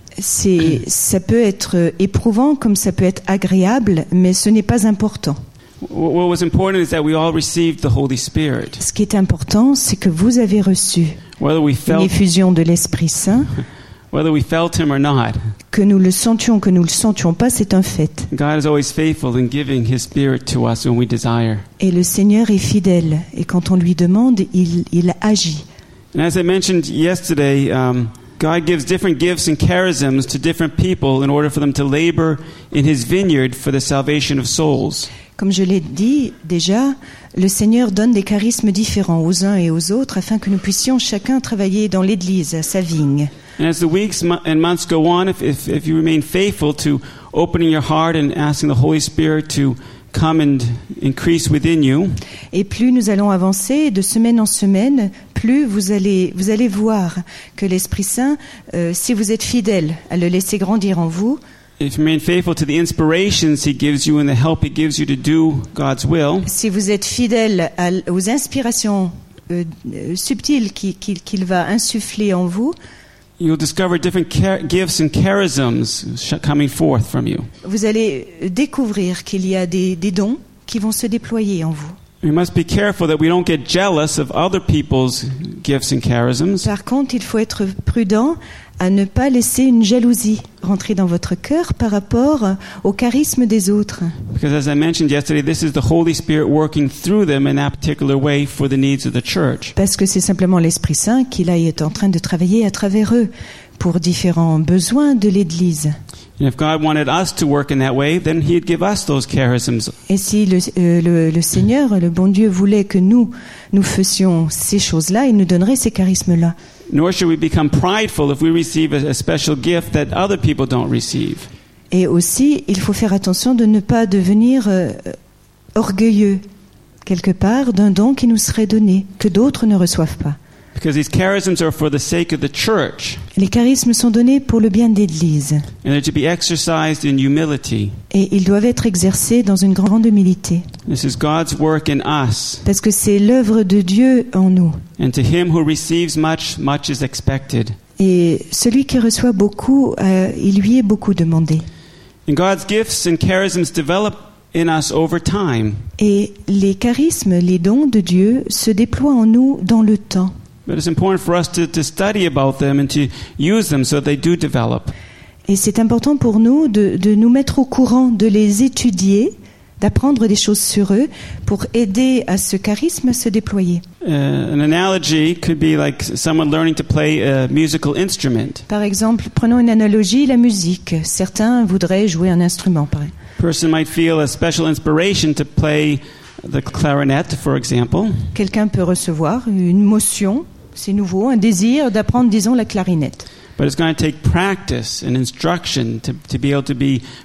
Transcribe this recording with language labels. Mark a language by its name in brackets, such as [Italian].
[French] Ça peut être éprouvant comme ça peut être agréable, mais ce n'est pas important. [English] What was important is that we all received the Holy Spirit. [French] Ce qui est important, c'est que vous avez reçu l'effusion de l'Esprit Saint. [English] Whether we felt him or not. [French] Que nous le sentions, que nous le sentions pas, c'est un fait. [English] God is always faithful in giving his Spirit to us when we desire. [French] Et le Seigneur est fidèle, et quand on lui demande, il agit. [English] And as I mentioned yesterday, God gives different gifts and charisms to different people in order for them to labor in his vineyard for the salvation of souls. [French] Comme je l'ai dit déjà, le Seigneur donne des charismes différents aux uns et aux autres afin que nous puissions chacun travailler dans l'Église, à sa vigne. [English] And as the weeks and months go on, if you remain faithful to opening your heart and asking the Holy Spirit to come and increase within you, [French] et plus nous allons avancer de semaine en semaine, plus vous allez voir que l'Esprit Saint, si vous êtes fidèle à le laisser grandir en vous, [English] if you remain faithful to the inspirations he gives you and the help he gives you to do God's will, [French] si vous êtes fidèle aux inspirations subtiles qu'il va insuffler en vous, [English] you'll discover different gifts and charisms coming forth from you. [French] Vous allez découvrir qu'il y a des dons qui vont se déployer en vous. [English] We must be careful that we don't get jealous of other people's gifts and charisms. [French] Par contre, il faut être prudent à ne pas laisser une jalousie rentrer dans votre cœur par rapport au charisme des autres. [English] Because as I mentioned yesterday, this is the Holy Spirit working through them in that particular way for the needs of the church. [French] Parce que c'est simplement l'Esprit Saint qui là est en train de travailler à travers eux pour différents besoins de l'Église. [English] And if God wanted us to work in that way, then he'd give us those charisms. [French] Et si le Seigneur, le bon Dieu voulait que nous fassions ces choses-là, il nous donnerait ces charismes-là. [English] Nor should we become prideful if we receive a special gift that other people don't receive. [French] Et aussi, il faut faire attention de ne pas devenir orgueilleux quelque part d'un don qui nous serait donné que d'autres ne reçoivent pas. [English] Because these charisms are for the sake of the church. [French] Les charismes sont donnés pour le bien d'Église. [English] And they're to be exercised in humility. [French] Et ils doivent être exercés dans une grande humilité. [English] This is God's work in us. [French] Parce que c'est l'œuvre de Dieu en nous. [English] And to him who receives much, much is expected. [French] Et celui qui reçoit beaucoup, il lui est beaucoup demandé. [English] And God's gifts and charisms develop in us over time. [French] Et les charismes, les dons de Dieu, se déploient en nous dans le temps. [English] But it's important for us to study about them and to use them so that they do develop. [French] Et c'est important pour nous de nous mettre au courant, de les étudier, d'apprendre des choses sur eux pour aider à ce charisme à se déployer. [English] An analogy could be like someone learning to play a musical instrument. [French] Par exemple, prenons une analogie, la musique. Certains voudraient jouer un instrument. [English] A person might feel a special inspiration to play the clarinet, for example. [French] Quelqu'un peut recevoir une motion, c'est nouveau, un désir d'apprendre, disons, la clarinette. [English] But it's going to take practice and instruction to be able to be